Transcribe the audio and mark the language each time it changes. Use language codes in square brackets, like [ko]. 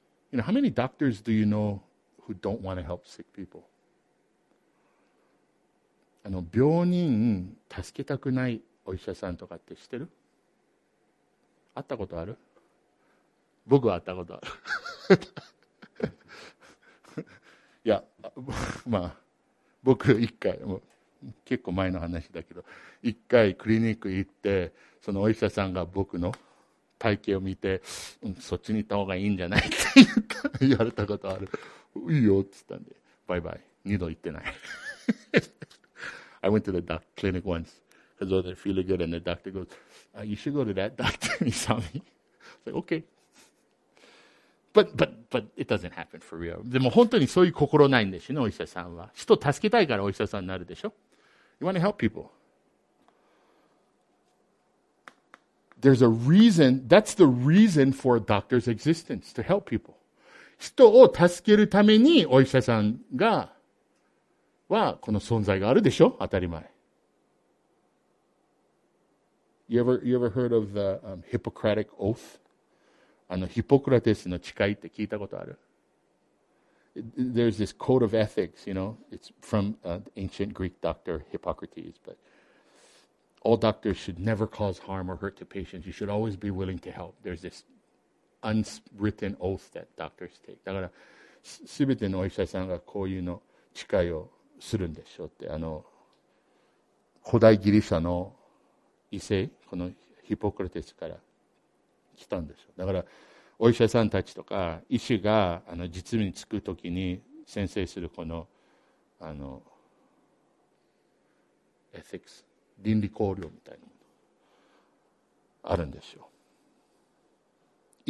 [en] You know, how many doctors do you know who don't want to help sick people? [ja] あの病人助けたくないお医者さんとかって知ってる？会ったことある？僕は会ったことあるいや、まあ僕一回、結構前の話だけど、一回クリニック行って、そのお医者さんが僕の体型を見て、そっちに行った方がいいんじゃないって言われたことある。いいよって言ったんで、バイバイ。二度行ってない。 [en] I went to the doc clinic once because I wasn't feeling good, and the doctor goes, "You should go to that doctor." He saw me. I was like, "Okay." But it doesn't happen for real. [ja] でも本当にそういう心ないんでしょ、お医者さんは。人助けたいからお医者さんになるでしょ。 [en] You want to help people. There's a reason. That's the reason for a doctor's existence, to help people. [ja] 人を助けるためにお医者さんがはこの存在があるでしょ、当たり前。 [en] You ever heard of the Hippocratic Oath? [ja] あのヒポクラテスの誓いって聞いたことある？ [en] There's this code of ethics, you know. It's from the ancient Greek doctor Hippocrates. But all doctors should never cause harm or hurt to patients. You should always be willing to help. There's this unwritten oath that doctors take. [ja] だから、すべてのお医者さんがこういうの誓いをするんでしょうって、あの古代ギリシャの医生、このヒポクラテスから来たんでしょう。だからお医者さんたちとか医師があの実務に就くときに宣誓するこのあのエフィクス、倫理考慮みたいなものあるんでしょう。